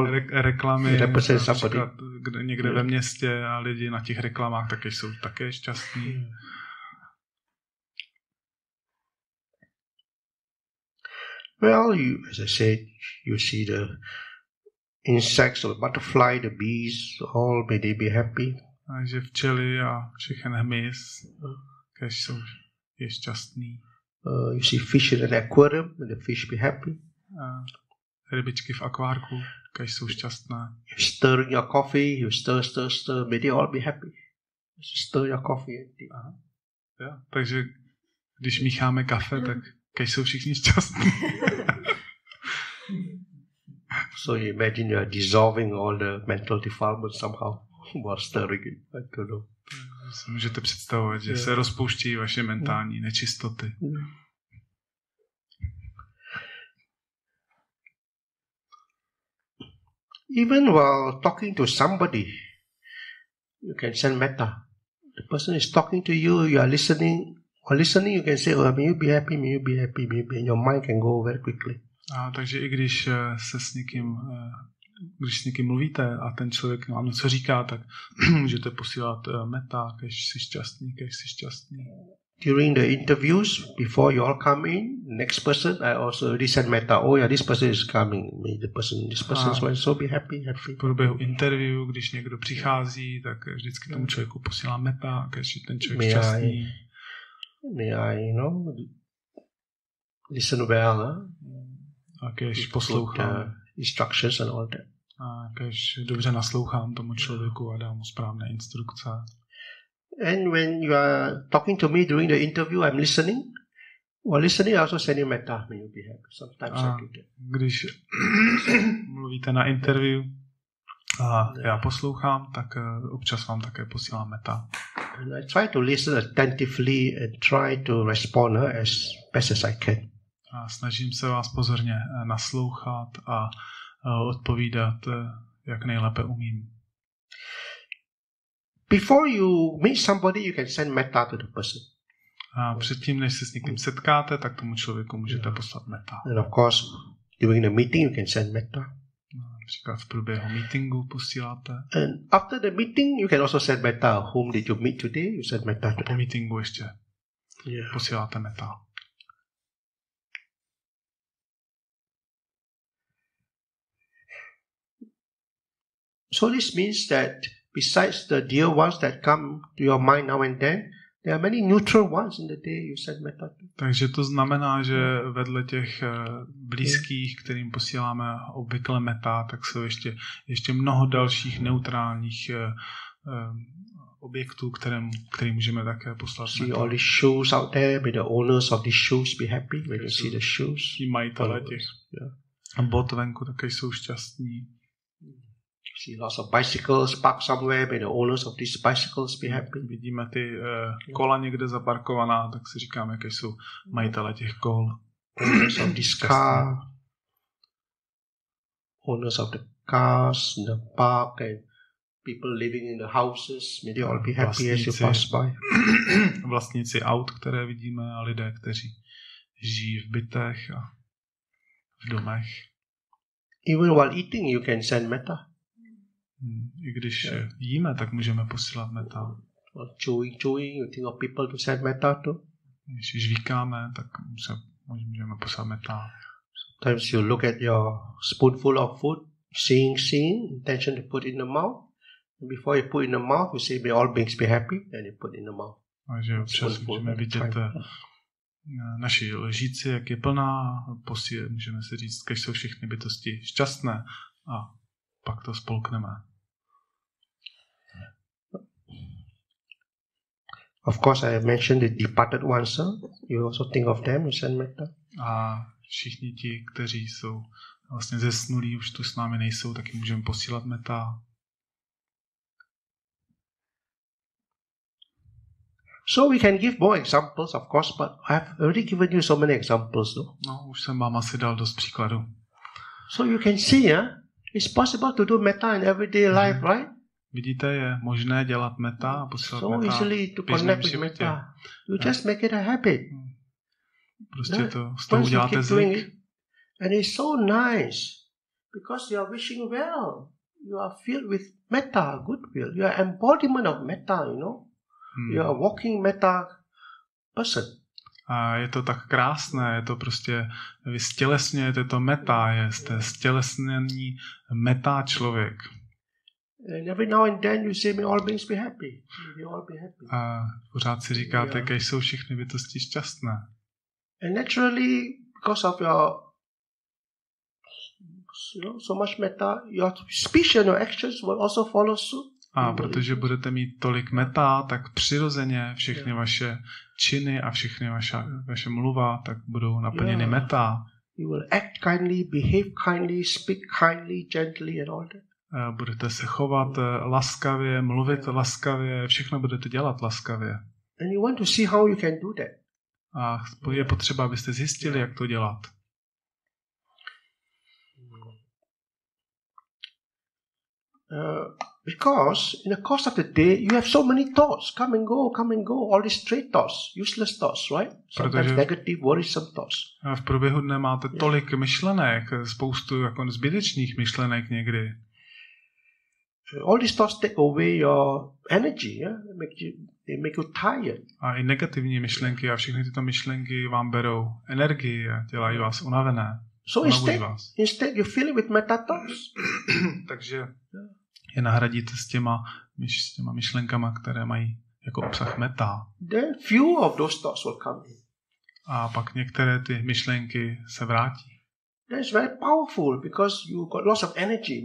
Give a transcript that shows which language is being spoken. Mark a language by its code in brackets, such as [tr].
[cs] Reklamy například někde ve městě a lidi na těch reklamách taky jsou také šťastní. [en] Well, you, as I said, you see the insects or the butterfly, the bees, all may they be happy. [cs] Takže včely a všechen hmyz, kež jsou je šťastný. [en] You see fish in an aquarium, may the fish be happy. [cs] Rybičky v akvárku, kež jsou šťastné. [en] You stir your coffee, you stir, may they all be happy. You stir your coffee. Yeah. [cs] Takže když mícháme kafe, tak kež jsou všichni šťastní. [en] So you imagine you are dissolving all the mental defilement somehow while stirring it, I don't know. [cs] Si můžete představovat, že se rozpouští vaše mentální nečistoty. [en] Even while talking to somebody, you can send metta. The person is talking to you, you are listening. While listening, you can say, oh, may you be happy, may you be happy, may you be, and your mind can go very quickly. [cs] A takže i když se s někým když s někým mluvíte a ten člověk vám něco říká, tak můžete posílat metta, když jsi šťastný, když jsi šťastný. [en] During the interviews, before you all come in, next person, I also send metta. Oh yeah, this person is coming. This person is going to be happy, happy. [cs] V průběhu interview, když někdo přichází, tak vždycky tomu člověku posílám metta, když je ten člověk šťastný. [en] May I listen well. [cs] A když poslouchám. [en] Instructions and all that. [cs] A když dobře naslouchám tomu člověku a dám mu správné instrukce. [en] And when you are talking to me during the interview, I'm listening. While listening, I also send you metta. May you be happy. Sometimes I do that. [cs] Když mluvíte na interview a já poslouchám, tak občas vám také posílám metta. [en] And I try to listen attentively and try to respond as best as I can. [cs] A snažím se vás pozorně naslouchat a odpovídat, jak nejlépe umím. [en] Before you meet somebody, you can send metta to the person. [cs] A předtím, než se s někým setkáte, tak tomu člověku můžete poslat metta. [en] And of course, during the meeting, you can send metta. [cs] Například v průběhu meetingu posíláte. [en] And after the meeting, you can also send metta. Whom did you meet today? You send metta. [cs] Po meetingu ještě posíláte metta. [en] So this means that besides the dear ones that come to your mind now and then, there are many neutral ones in the day you send metta to. [cs] Takže to znamená, že vedle těch blízkých, kterým posíláme obvykle metta, tak jsou ještě mnoho dalších neutrálních objektů, kterým můžeme také poslat. [en] See all the shoes out there, may the owners of these shoes be happy when you see the shoes. [cs] Ti majitelé těch bot venku také jsou šťastní. [en] See lots of bicycles parked somewhere. May the owners of these bicycles be happy. [cs] Vidíme ty kola někde zaparkovaná, tak si říkáme, jaké jsou majitelé těch kol. [en] Owners of this car. Owners of the cars in the park and people living in the houses. May they all be happy as you pass by. [cs] Vlastníci aut, které vidíme, a lidé, kteří žijí v bytech a v domech. [en] Even while eating, you can send metta. [cs] I když jíme, tak můžeme posílat metta. [en] Chewing, you think of people to send metta to? [cs] Když žvíkáme, tak můžeme posílat metta. [en] Sometimes you look at your spoonful of food, seeing, intention to put in the mouth. Before you put in the mouth, you say, may all beings be happy, then you put in the mouth. [cs] Takže občas můžeme vidět naši lžíci, jak je plná, můžeme si říct, když jsou všechny bytosti šťastné a pak to spolkneme. [en] Of course, I mentioned the departed ones. Sir. You also think of them, you send metta. [cs] A všichni ti, kteří jsou vlastně zesnulí, už tu s námi nejsou, taky můžeme posílat metta. [en] So we can give more examples, of course, but I have already given you so many examples, though. [cs] No, už jsem vám asi dal dost příkladů. [en] So you can see, it's possible to do metta in everyday life, right? [cs] Vidíte, je možné dělat metta a posílat [en] metta. So easily to connect with metta. You just make it a habit. [cs] Prostě to z toho uděláte zvyk. [en] And it's so nice because you are wishing well. You are filled with metta, goodwill. You are embodiment of metta, you know. You are walking metta person. [cs] A je to tak krásné, je to prostě, vy stělesňujete to metta, jste stělesnění metta člověk. [en] And every now and then you say, may all beings be happy. May all be happy. [cs] A pořád si říkáte, kež jsou všechny bytosti šťastné. [en] And naturally, because of your so much metta, your speech and your actions will also follow suit. [cs] A protože budete mít tolik metta, tak přirozeně všechny vaše činy a všechny vaše mluva tak budou naplněny metta. [en] You will act kindly, behave kindly, speak kindly, gently and all that. [cs] Budete se chovat laskavě, mluvit laskavě, všechno budete dělat laskavě. [en] And you want to see how you can do that. [cs] A je potřeba, abyste zjistili, jak to dělat. [en] Because in the course of the day you have so many thoughts come and go all these stray thoughts, useless thoughts, right? Sometimes negative, worrisome thoughts. [cs] V průběhu dne máte tolik myšlenek, spoustu jako zbytečných myšlenek někdy. [en] All these thoughts take away your energy, they make you tired. [cs] A i negativní myšlenky a všechny tyto myšlenky vám berou energii a dělají vás unavené. [en] So instead you fill it with metta thoughts. [cs] Takže je nahradíte s těma myšlenkama, které mají jako obsah metta. [en] Then few of those thoughts will come in. [cs] A pak některé ty myšlenky se vrátí. [en] That is very powerful because you got lots of energy.